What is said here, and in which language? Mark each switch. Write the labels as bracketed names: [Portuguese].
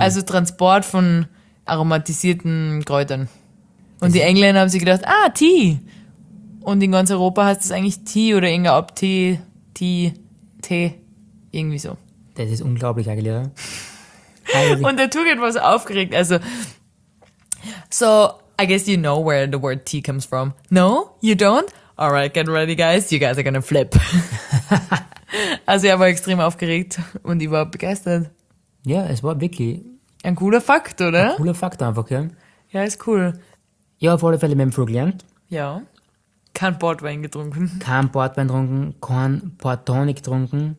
[German] Also Transport von aromatisierten Kräutern. Und die Engländer haben sich gedacht, ah, Tee. Und in ganz Europa heißt es eigentlich Tee oder irgendein Abtee, Tee, Tee, irgendwie so. Das ist unglaublich eigentlich, oder? Und der Tugend war so aufgeregt. [English] Also, so, I guess you know where the word tea comes from. No, you don't? Alright, get ready, guys. You guys are gonna flip. [German] Also, ich war extrem aufgeregt und ich war begeistert. Ja, es war wirklich... Ein cooler Fakt, oder? Ein cooler Fakt einfach, ja. Ja, ist cool. Ja, auf alle Fälle mit dem Flug gelernt. Ja. Kein Portwein getrunken. Kein Portwein getrunken, kein Portonic getrunken.